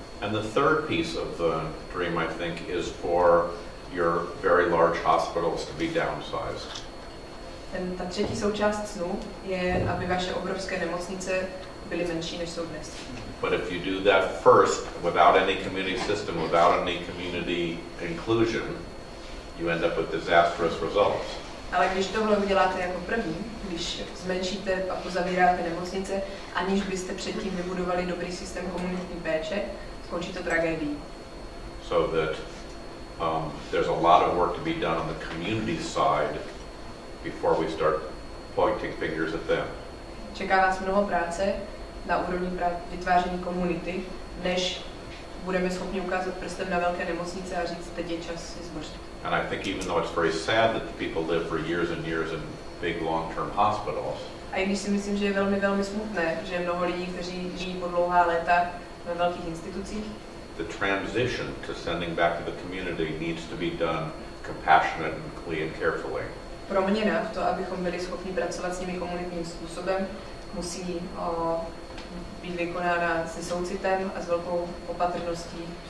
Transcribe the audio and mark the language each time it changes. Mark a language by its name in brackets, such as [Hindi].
[English] And the third piece of the dream, I think, is for your very large hospitals to be downsized. [Czech] Ta třetí součást snu je, aby vaše obrovské nemocnice byly menší, než jsou dnes. [English] But if you do that first, without any community system, without any community inclusion, you end up with disastrous results. [Czech] Ale když tohle uděláte jako první, když zmenšíte a pozavíráte nemocnice, aniž byste předtím vybudovali dobrý systém komunitní péče, skončí to tragédií. [English] So that there's a lot of work to be done on the community side before we start pointing fingers at them. [Czech] Čeká nás mnoho práce na úrovni vytváření komunity, než budeme schopni ukázat prstem na velké nemocnice a říct, teď je čas je zbořit. [English] And I think even though it's very sad that the people live for years and years in big long-term hospitals. [Czech] A i když si myslím, že je velmi, velmi smutné, že je mnoho lidí, kteří žijí po dlouhá léta ve velkých institucích. [English] The transition to sending back to the community needs to be done compassionately and carefully. [Czech] Proměna v to, abychom byli schopni pracovat s nimi komunitním způsobem, musí být vykonána se soucitem a s velkou opatrností.